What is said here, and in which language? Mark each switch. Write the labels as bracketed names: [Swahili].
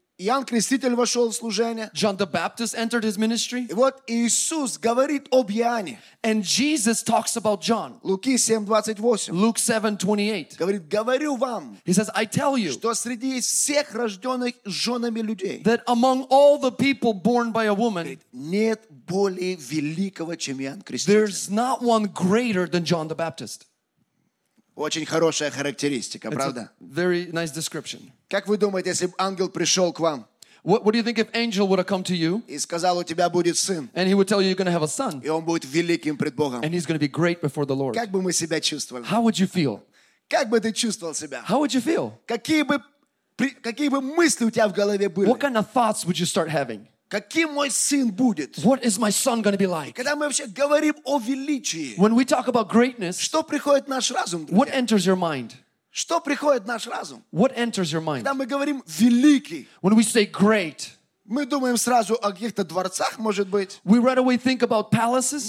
[Russian] Иоанн Креститель вошел в служение. [English] John the Baptist entered his ministry. [Russian] И вот Иисус говорит об Иоанне. [English] And Jesus talks about John. [Russian] Луки 7:28. [English] Luke 7:28. [Russian] Говорит, говорю вам. [English] He says, I tell you. [Russian] Что среди всех рожденных женами людей. [English] That among all the people born by a woman. [Russian] Нет более великого, чем Иоанн Креститель. [English] There's not one greater than John the Baptist. [Russian] Очень хорошая характеристика, правда? [English] Very nice description. [Russian] Как вы думаете, если бы ангел пришел к вам? [English] What do you think if angel would have come to you? [Russian] И сказал, у тебя будет сын. [English] And he would tell you, you're going to have a son. [Russian] И он будет великим пред Богом. [English] And he's going to be great before the Lord. [Russian] Как бы мы себя чувствовали? [English] How would you feel? [Russian] Как бы ты чувствовал себя? [English] How would you feel? [Russian] Какие бы мысли у тебя в голове были? [English] What kind of thoughts would you start having? [Russian] Каким мой сын будет? [English] What is my son going to be like? [Russian] Когда мы вообще говорим о величии? [English] When we talk about greatness, [Russian] что приходит в наш разум, друзья? [English] What enters your mind? [Russian] Что приходит в наш разум? [English] What enters your mind? [Russian] Когда мы говорим великий, [English] when we say great, [Russian] мы думаем сразу о каких-то дворцах, может быть. [English] We right away think about palaces.